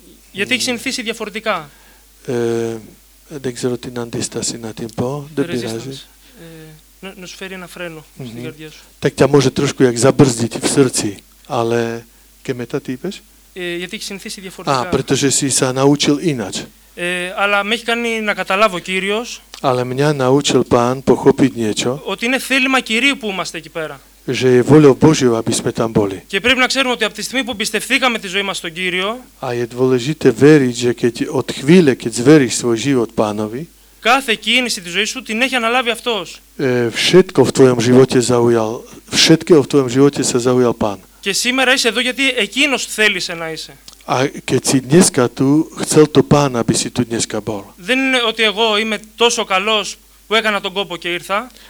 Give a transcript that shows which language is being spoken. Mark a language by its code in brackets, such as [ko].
[el] Γιατί έχεις συνηθίσει διαφορετικά. Δεν ξέρω την αντίσταση να την πω, δεν πειράζει. Να σου φέρει ένα φρένο στην καρδιά σου. [sk] Tak ťa môže trošku jak zabrzdiť v srdci, ale... [el] Και μετά τι είπες? Γιατί έχεις συνηθίσει διαφορετικά. [sk] Α, pretože si sa naučil ináč. [el] Αλλά με έχει κάνει να καταλάβω ο Κύριος. [sk] Ale mňa naučil Pán pochopiť niečo. [el] Ότι είναι θέλημα Κυρίου που είμαστε εκεί πέρα. [sk] Že je voľou Božiou, aby sme tam boli. [el] Και πρέπει να ξέρουμε ότι από τη στιγμή που πιστευθήκαμε τη ζωή μας στον Κύριο. [sk] A je dôležité veriť, že keď od chvíle, keď zveríš svoj život Pánovi. [el] Κάθε κίνηση της ζωής σου την έχει αναλάβει αυτός. [sk] Všetko v tvojom živote zaujal. Všetko v tvojom živote sa zaujal Pán. [el] Και σήμερα είσαι εδώ γιατί εκείνος θέλησε να είσαι. [sk] A keď si dneska tu, chcel to Pán, aby si tu dneska bol. [el] Δεν είναι ότι εγώ είμαι τόσο καλός που έκανα τον κόπο και ήρθα.